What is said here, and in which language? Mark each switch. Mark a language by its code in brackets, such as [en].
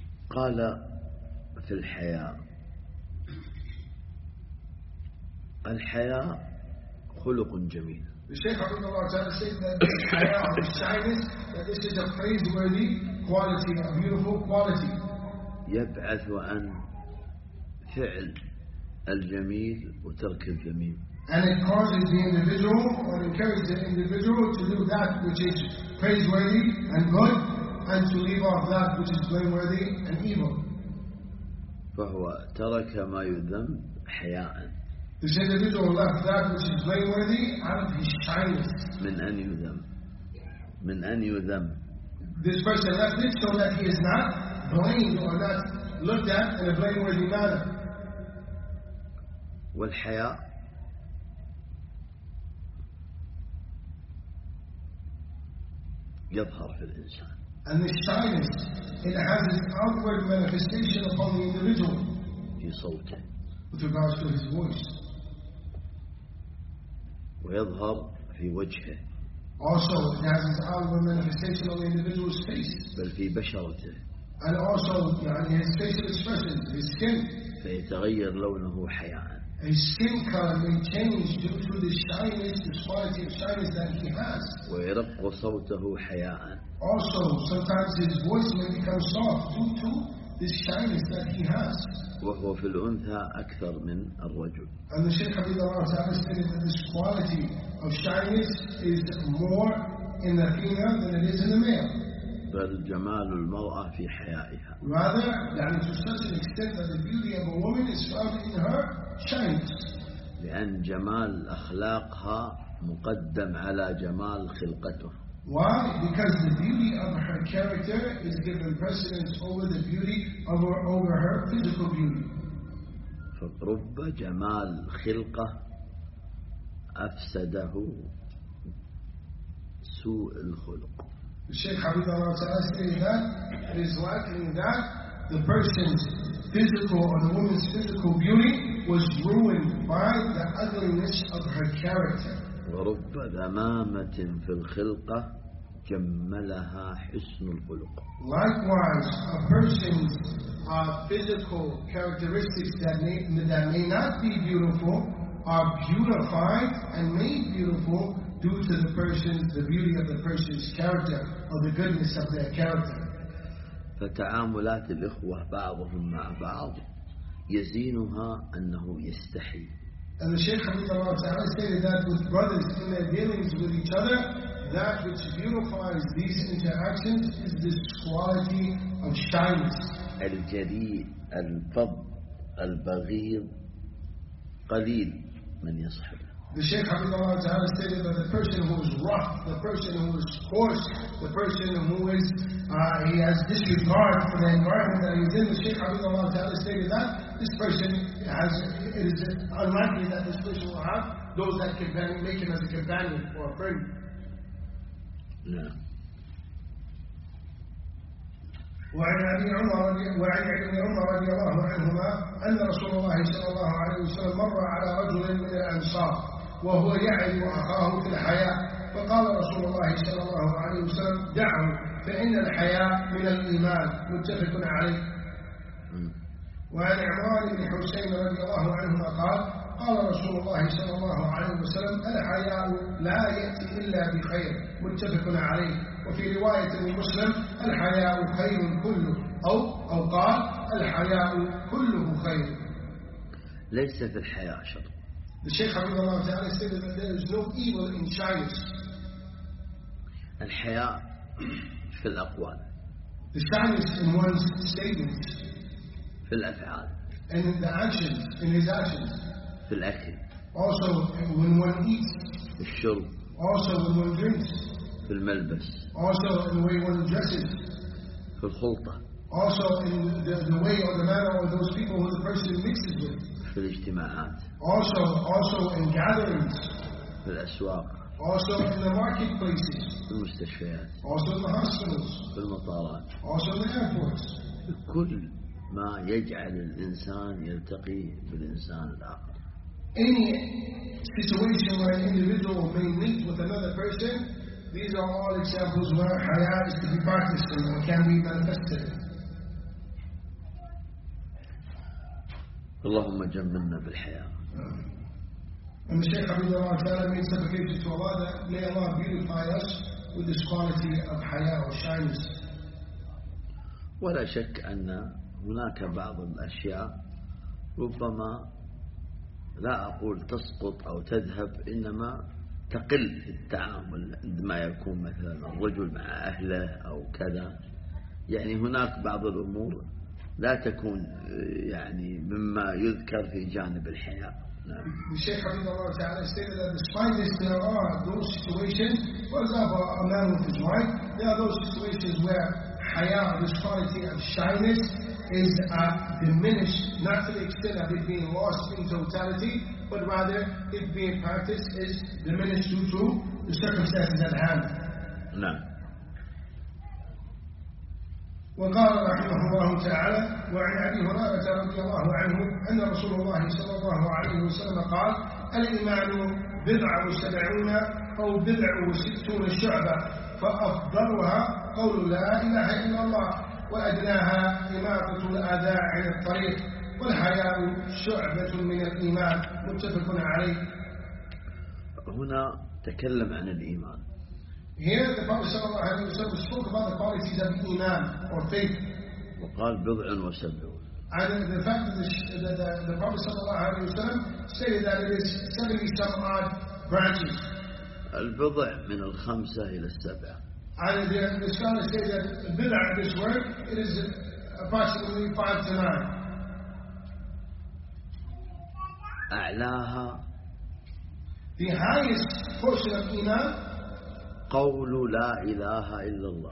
[ar] قال في الحياة الحياة خلق جميل. [en] The Shaykh Abu Allah Ta'ala said that the shyness, that this is a praiseworthy quality, a beautiful quality. [ar] يبعث عن فعل الجميل وترك الذميم. [en] And it causes the individual or encourages the individual to do that which is praiseworthy and good and to leave off that which is blameworthy and evil. [ar] فهو ترك ما يذم حياء. [en] This individual left that which is blameworthy out of his shyness. [ar] من أن يذم. من أن يذم. [en] This person left it so that he is not blamed or not looked at in a blameworthy manner. [ar] والحياء يظهر في الإنسان. [en] And this shyness, it has its outward manifestation upon the individual. [ar] في صوته. [en] With regards to his voice. [ar] ويظهر في وجهه. [en] Also, it has its outward manifestation on the individual's face. [ar] بل في بشرته. [en] And also, يعني his facial expression, his skin. [ar] فيتغير لونه حياء. [en] His skin color may change due to the shyness, the quality of shyness that he has. [ar] ويرق صوته حياء. [en] Also, sometimes his voice may become soft due to this shyness that he has. [ar] وهو في الأنثى أكثر من الرجل. [en] And the Shaykh Abdul Allah Ta'ala said that this quality of shyness is more in the female than it is in the male. [ar] بل جمال المرأة في حيائها. [en] Rather, يعني to such an extent that the beauty of a woman is found in her shyness. [ar] لأن جمال أخلاقها مقدم على جمال خلقته. [en] Why? Because the beauty of her character is given precedence over the beauty of her, over her physical beauty. [ar] فرب جمال خلقة أفسده سوء الخلق. [en] The Shaykh Habib Allah Ta'ala said that it is likely that the person's physical or the woman's physical beauty was ruined by the ugliness of her character. [ar] ورب ذمامة في الخلقة جملها حسن الخلق. [en] Likewise, a person's physical characteristics that may not be beautiful are beautified and made beautiful due to the beauty of the person's character or the goodness of their character. [ar] فتعاملات الإخوة بعضهم مع بعض يزينها أنه يستحي. [en] And the Shaykh Habib Allah Ta'ala stated that with brothers in their dealings with each other, that which beautifies these interactions is this quality of shyness. [ar] الجريء الفظ البغيض قليل من يصحب. [en] The Sheikh Habibullah Ta'ala stated that the person who is rough, the person who is coarse, the person who is he has disregard for the environment that he is in, the Sheikh Habibullah Ta'ala stated that this person has, it is unlikely that this person will have those that can make him as a companion or a friend. [ar] وعن ابن عمر رضي الله عنهما ان رسول الله صلى الله عليه وسلم مر على رجل من الانصار وهو يعلم اخاه في الحياء فقال رسول الله صلى الله عليه وسلم دعه فان الحياء من الايمان. متفق عليه. وعن عمران بن حسين رضي الله عنهما قال قال رسول الله صلى الله عليه وسلم الحياء لا ياتي الا بخير. متفق عليه. وفي رواية المسلم الحياء خير كله أو قال الحياء كله خير. ليس في الحياء شر. [en] الشيخ عبد الله تعالى said that there is no evil in shyness. [ar] الحياء في الأقوال. [en] The shyness in one's statements. [ar] في الأفعال. [en] And in the actions, in his actions. [ar] في الأكل. [en] Also when one eats. [ar] في الشرب. [en] Also when one drinks. [ar] في الملبس. [en] Also in the way one dresses. [ar] في الخلطة. [en] Also in the way or the manner of those people who the person mixes with. [ar] في الاجتماعات. [en] Also in gatherings. [ar] في الأسواق. [en] Also in the marketplaces. [ar] في المستشفيات. [en] Also in the hospitals. [ar] في المطارات. [en] Also in the airports. [ar] في كل ما يجعل الإنسان يلتقي بالإنسان الآخر. [en] Any situation where an individual may meet with another person. These are all examples where haya is to be practiced and can be manifested. [ar] Allahumma jammilna bil haya. [en] And the Shaykh Abdullah Ta'ala made supplication to Allah that may Allah beautify us with this quality of haya or shyness. [ar] ولا شك أن هناك بعض الأشياء ربما لا أقول تسقط أو تذهب إنما تقل في التعامل عندما يكون مثلا الرجل مع أهله أو كذا. يعني هناك بعض الأمور لا تكون يعني مما يذكر في جانب الحياء. [en] الشيخ عبد الله تعالى stated that despite this there are those situations, for example a man with his wife, there are those situations where حياء, this quality of shyness is diminished, not to the extent of it being lost in totality, but rather it being practiced is diminished due to the circumstances at hand. No. [ar] وقال رحمه الله تعالى وعن أبي هريرة رضي الله عنه أن رسول الله صلى الله عليه وسلم قال الإيمان بضع وسبعون أو بضع وستون شعبة فأفضلها قول لا إله إلا الله وأدناها إماطة الأذى عن الطريق والحياء شعبة من الإيمان. متفق عليه. هنا تكلم عن الإيمان. [en] Here the Prophet [ar] صلى الله عليه وسلم [en] spoke about the qualities of iman or faith. [ar] وقال بضع وسبعون. [en] And the fact that the Prophet [ar] صلى الله عليه وسلم [en] stated that it is 70 some odd branches. [ar] البضع من الخمسة إلى السبعة. [en] And the scholars say that بضع, this word, it is approximately 5 to 9. [ar] أعلاها. [en] The highest portion of iman. [ar] قول لا إله إلا الله.